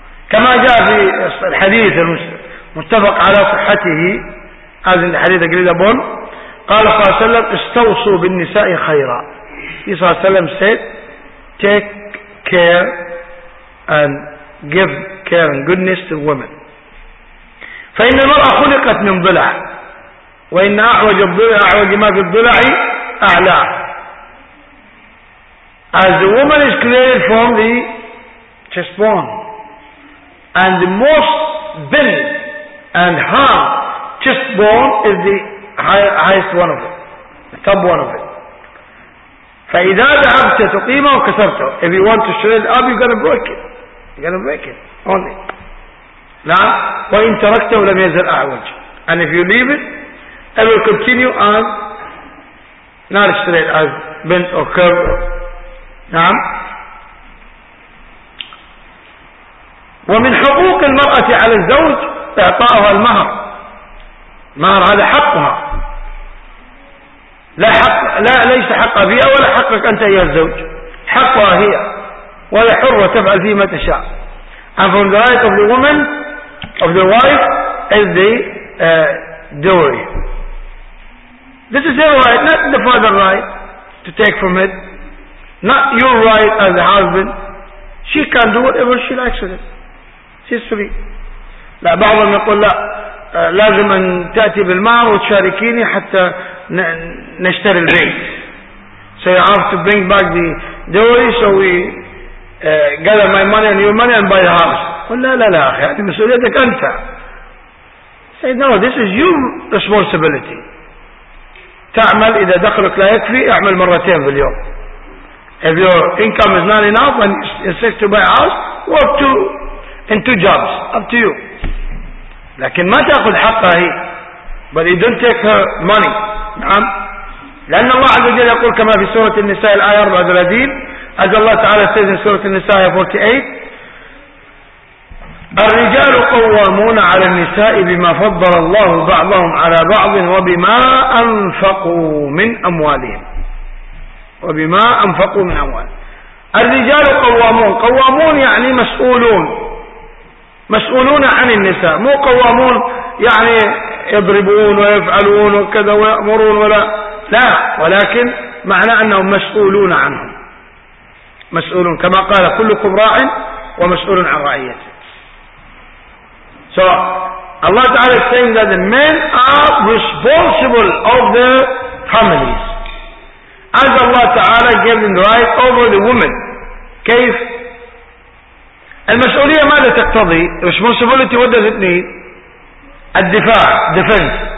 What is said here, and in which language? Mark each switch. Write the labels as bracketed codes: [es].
[ar] كما جاء في الحديث المتفق على صحته هذا الحديث قريب أبون قال صلى الله عليه وسلم استوصوا بالنساء خيرا. [en] صلى الله عليه وسلم said take care and give care and goodness to women. [ar] فإن المرأة خلقت من ضلع وإن أعوج الضلع أعوج ما في الضلع أعلى. [en] As the woman is created from the chest bone and the most bent and hard chest bone is the highest one of it, the top one of it. [ar] فإذا ذهبت تقيمه وكسرته. [en] If you want to shred up, you're gonna break it. You're gonna break it only. [ar] نعم. وإن تركته لم يزل أعوج. [en] And if you leave it, it will continue as not straight, as bent or curved. نعم. [ar] ومن حقوق المرأة على الزوج إعطاؤها المهر. مهر هذا حقها، لا حق، لا ليس حقا فيها ولا حقك أنت يا الزوج، حقها هي، ولا حرة تفعل فيه ما تشاء. [en] And from the right of the woman of the wife is the dowry. This is their right, not the father's right to take from it. Not your right as a husband. She can do whatever she likes with it. She's free. [ar] لا بعضهم يقول لا لازم أن تأتي بالمهر وتشاركيني حتى نشتري البيت. [en] So you have to bring back the dowry so we gather my money and your money and buy the house. [ar] قل لا لا لا أخي هذه مسؤوليتك أنت. [en] Say no, this is your responsibility. [ar] تعمل إذا دخلك لا يكفي اعمل مرتين في اليوم. [en] If your income is not enough and insist to buy a house, work two and two jobs, up to you. [ar] لكن ما تأخذ حقها هي. [en] But you don't take her money. [ar] نعم. لأن الله عز وجل يقول كما في سورة النساء الآية 34، [en] as Allah تعالى says in [ar] سورة النساء 48، الرجال قوامون على النساء بما فضل الله بعضهم على بعض وبما أنفقوا من أموالهم. وبما أنفقوا من أموال. الرجال قوامون، قوامون يعني مسؤولون، مسؤولون عن النساء، مو قوامون يعني يضربون ويفعلون وكذا ويأمرون ولا لا، ولكن معنى أنهم مسؤولون عنهم، مسؤولون كما قال كلكم راع ومسؤول عن رعيته. [en] So Allah تعالى is saying that the men are responsible of their families. As Allah تعالى gave them the right over the women. [ar] كيف؟ المسؤولية ماذا تقتضي؟ [en] Responsibility what does it need؟ [ar] الدفاع، [en] defense.